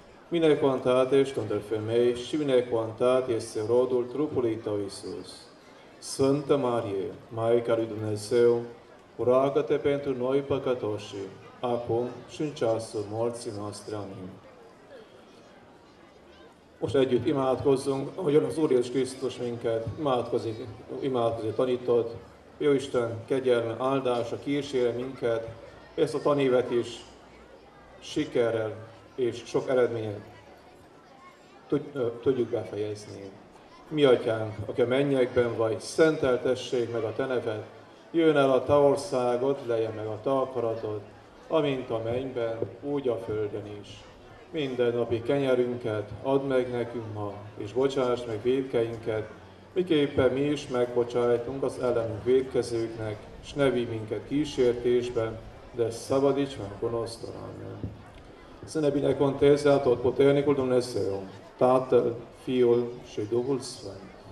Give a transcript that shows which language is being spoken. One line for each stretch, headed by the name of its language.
Romanian: Binecuvântată ești între femei și binecuvântat este rodul trupului tău, Iisus. Sfântă Marie, Maica lui Dumnezeu, roagă-te pentru noi păcătoși, acum și în ceasul morții noastre. Amin.
Hungarian: Most együtt imádkozzunk, ahogyan az Úr Jézus Krisztus minket imádkozik, imádkozik tanított. Jóisten, kegyelme, áldása, kísérje minket, ezt a tanévet is sikerrel és sok eredményen tudjuk befejezni. Mi Atyánk, aki a mennyekben vagy, szenteltessék meg a te neved, jöjjön el a te országod, legyen meg a te akaratod, amint a mennyben, úgy a földön is. Minden napi kenyerünket add meg nekünk ma, és bocsáss meg vétkeinket, miképpen mi is megbocsájtunk az ellenünk vétkezőknek, s ne vigy minket kísértésbe, de szabadíts meg gonosztól. Amen. Szenebinek van tézzel,
Romanian: tot poternikul Dumnezeu, Tatăl, Fiul, și Duhul Sfânt.